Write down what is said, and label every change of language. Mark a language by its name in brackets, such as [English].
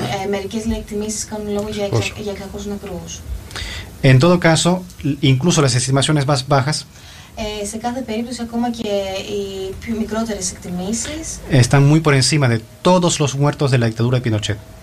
[Greek] Μερικές εκτιμήσεις κάνουν λόγο για 600 νεκρούς. [Spanish] En todo caso, incluso las estimaciones más bajas. [Greek] Σε κάθε περίπτωση, ακόμα και οι πιο μικρότερες εκτιμήσεις. [Spanish] Están muy por encima de todos los muertos de la dictadura de Pinochet.